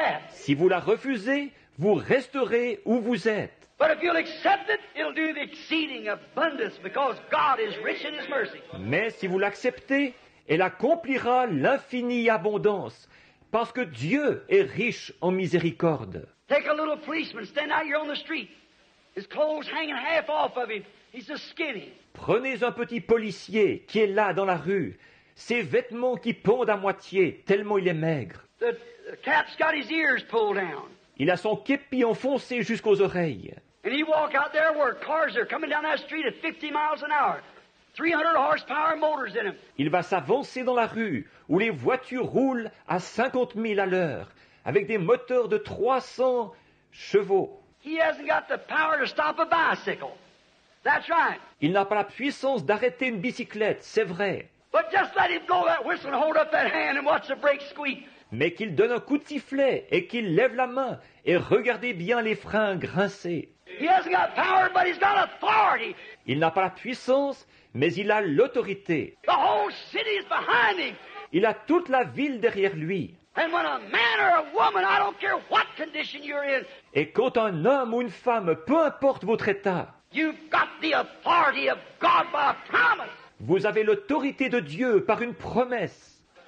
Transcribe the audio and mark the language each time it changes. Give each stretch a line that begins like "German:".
French: Si vous la refusez, vous resterez où vous êtes.
English: But if you'll accept it, it'll do the exceeding abundance because God is rich in his mercy.
French: Mais si vous l'acceptez, elle accomplira l'infinie abondance parce que Dieu est riche en miséricorde.
English: Take a little policeman stand out here on the street. His clothes hanging half off of him. He's a skinny.
French: Prenez un petit policier qui est là dans la rue. Ses vêtements qui pendent à moitié, tellement il est maigre.
English: The cap's got his ears pulled down.
French: Il a son képi enfoncé jusqu'aux oreilles.
English: And he walk out there where cars are coming down that street at 50 miles an hour. 300 horsepower motors in him.
French: Il va s'avancer dans la rue où les voitures roulent à 50 milles à l'heure avec des moteurs de 300 chevaux.
English: He hasn't got the power to stop a bicycle. That's right.
French: Il n'a pas la puissance d'arrêter une bicyclette, c'est vrai.
English: But just let him blow that whistle and hold up that hand and watch the brakes squeak.
French: Mais qu'il donne un coup de sifflet et qu'il lève la main et regardez bien les freins grincer.
English: He hasn't got power, but he's got authority.
French: Il n'a pas la puissance, mais il a l'autorité.
English: The whole city is behind him.
French: Il a toute la ville derrière lui.
English: And when a man or a woman, I don't care what condition you're in.
French: Et quand un homme ou une femme, peu importe votre état,
English: you've got the authority of God by a promise.
French: Vous avez l'autorité de Dieu par une promesse.